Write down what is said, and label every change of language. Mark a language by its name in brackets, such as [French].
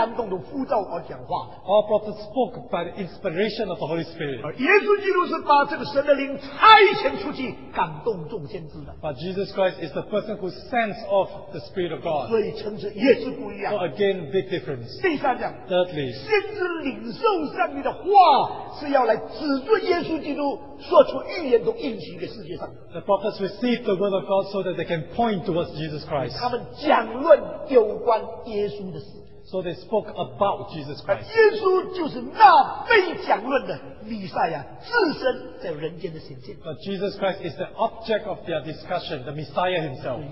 [English] All prophets spoke by the inspiration of the Holy Spirit. But Jesus Christ is the person who sends off the Spirit of God. So again, big difference. [Chinese] 第三讲, [English] Thirdly, [Chinese] 先知领受上帝的话是要来指着耶稣基督说出预言都应许给世界上。 [English] The prophets receive the word of God so that they can point towards Jesus Christ. [Chinese] 他们讲论有关耶稣的事。 [English] So they spoke about Jesus Christ. [Chinese] 耶稣就是那被讲论的弥赛亚自身在人间的显现。 [English] But Jesus Christ is the object of their discussion, the Messiah himself.